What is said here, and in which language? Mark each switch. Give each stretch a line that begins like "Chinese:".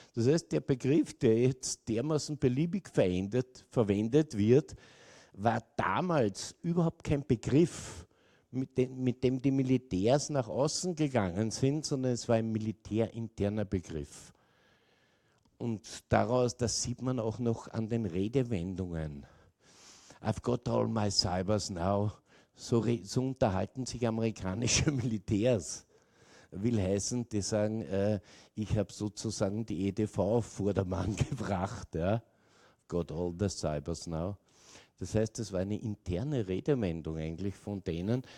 German: Das heißt, der Begriff, der jetzt dermaßen beliebig verwendet wird, war damals überhaupt kein Begriff, mit dem die Militärs nach außen gegangen sind, sondern es war ein militärinterner Begriff. Und daraus, das sieht man auch noch an den Redewendungen.
English: I've got all my cybers now.
German: So unterhalten sich amerikanische Militärs. Will heißen, die sagen, ich habe sozusagen die EDV auf Vordermann gebracht. Ja.
English: Got all the cybers now.
German: Das heißt, das war eine interne Redewendung eigentlich von denen.